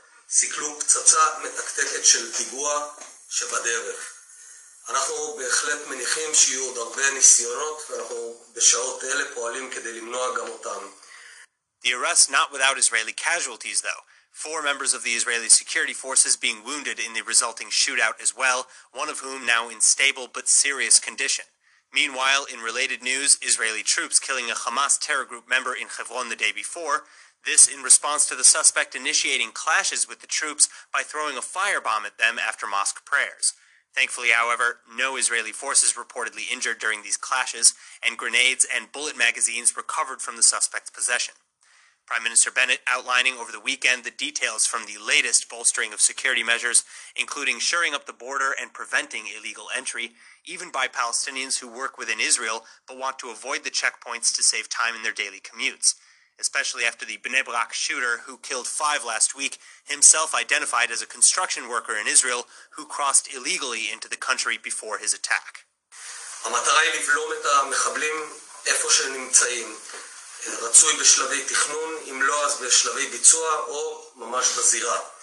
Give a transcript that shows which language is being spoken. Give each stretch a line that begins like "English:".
Hebrew: סיכלו פצצה מתקתקת של פיגוע שבדרך. אנחנו בהחלט מניחים שיהיו עוד הרבה ניסיונות, ואנחנו בשעות אלה פועלים כדי למנוע גם אותם.
English: The arrest not without Israeli casualties, though. Four members of the Israeli security forces being wounded in the resulting shootout as well, one of whom now in stable but serious condition. Meanwhile, in related news, Israeli troops killing a Hamas terror group member in Hebron the day before. This in response to the suspect initiating clashes with the troops by throwing a firebomb at them after mosque prayers. Thankfully, however, no Israeli forces reportedly injured during these clashes, and grenades and bullet magazines recovered from the suspect's possession. Prime Minister Bennett outlining over the weekend the details from the latest bolstering of security measures, including shoring up the border and preventing illegal entry, even by Palestinians who work within Israel but want to avoid the checkpoints to save time in their daily commutes. Especially after the Bnei Brak shooter, who killed five last week, himself identified as a construction worker in Israel, who crossed illegally into the country before his attack.
Hebrew: המטרה היא לבלום את המחבלים איפה שהם נמצאים. רצוי בשלבי תכנון, אם לא אז בשלבי ביצוע או ממש בזירה.